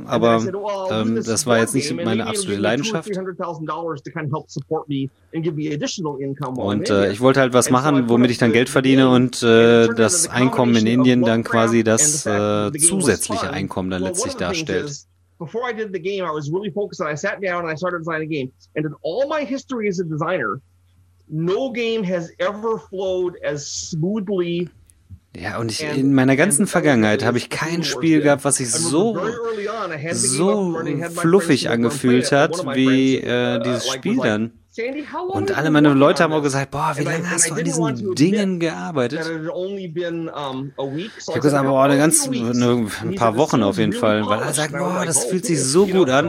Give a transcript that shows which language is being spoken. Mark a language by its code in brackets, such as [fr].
[de] Aber das war jetzt nicht meine absolute Leidenschaft. Und ich wollte halt was machen, womit ich dann Geld verdiene und das Einkommen in Indien dann quasi das zusätzliche Einkommen dann letztlich darstellt. [en] Before I did the game, I was really focused. I sat down and I started designing a game. And in all my history as a designer, no game has ever flowed as smoothly. [de] Ja, und ich, in meiner ganzen Vergangenheit habe ich kein Spiel gehabt, was sich so, so fluffig angefühlt hat, wie dieses Spiel dann. Und alle meine Leute haben auch gesagt, boah, wie lange hast du an diesen Dingen gearbeitet? Ich habe gesagt, boah, ein paar Wochen auf jeden Fall, weil alle sagen, boah, das fühlt sich so gut an.